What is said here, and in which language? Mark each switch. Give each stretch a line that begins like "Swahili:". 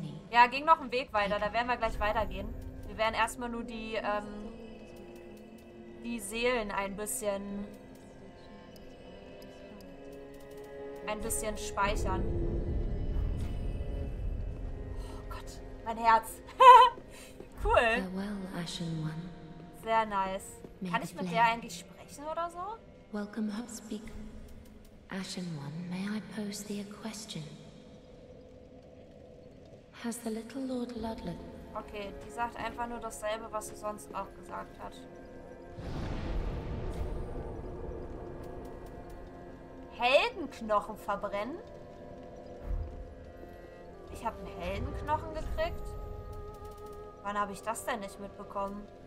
German: Ja, ging noch ein Weg weiter, da werden wir gleich weitergehen. Wir werden erstmal nur die, die Seelen ein bisschen speichern. Oh Gott, mein Herz. Cool.
English: Farewell, Ashen One.
German: Sehr nice. Kann ich mit der eigentlich sprechen oder so?
English: Welcome home, speak. Ashen One, may I pose thee a question? Has the little Lord Ludlow?
German: Okay, die sagt einfach nur dasselbe, was sie sonst auch gesagt hat. Heldenknochen verbrennen? Ich habe einen Heldenknochen gekriegt? Wann habe ich das denn nicht mitbekommen?